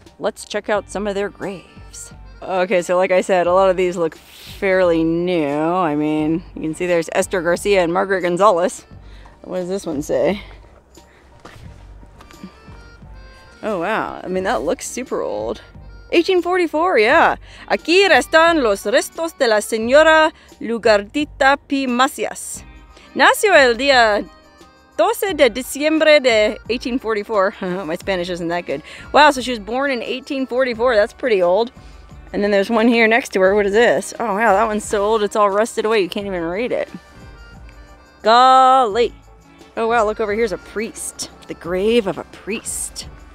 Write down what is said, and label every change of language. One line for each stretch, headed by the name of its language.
English: Let's check out some of their graves. Okay, so like I said, a lot of these look fairly new. I mean, you can see there's Esther Garcia and Margaret Gonzalez. What does this one say? Oh, wow. I mean, that looks super old. 1844, yeah.
Spanish: Aquí están los restos de la señora Lugardita P. Macias. Nació el día 12 de diciembre de 1844.
English: My Spanish isn't that good. Wow, so she was born in 1844. That's pretty old. And then there's one here next to her. What is this? Oh, wow, that one's so old it's all rusted away. You can't even read it. Golly. Oh, wow, look over here's a priest. The grave of a priest.